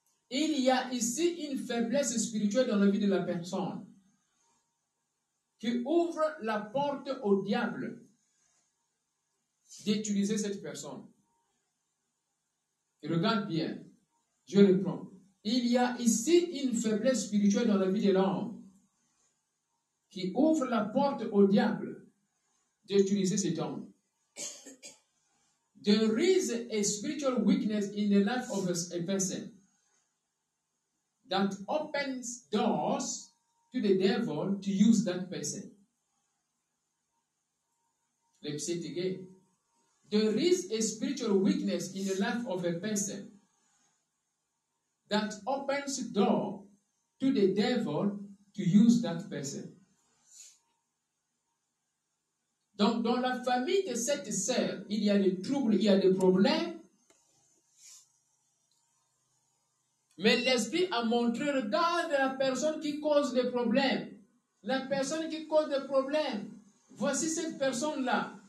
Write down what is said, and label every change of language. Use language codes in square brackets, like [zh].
[fr] Il y a ici une faiblesse spirituelle dans la vie de la personne qui ouvre la porte au diable d'utiliser cette personne. Regarde bien, je reprends. Il y a ici une faiblesse spirituelle dans la vie de l'homme qui ouvre la porte au diable d'utiliser cet homme. [en] There is a spiritual weakness in the life of a person that opens doors to the devil to use that person. Let me say it again. There is a spiritual weakness in the life of a person that opens door to the devil to use that person. [fr] Donc, dans la famille de cette sœur, il y a des troubles, il y a des problèmes. Mais l'esprit a montré, regarde la personne qui cause les problèmes. La personne qui cause des problèmes, voici cette personne-là.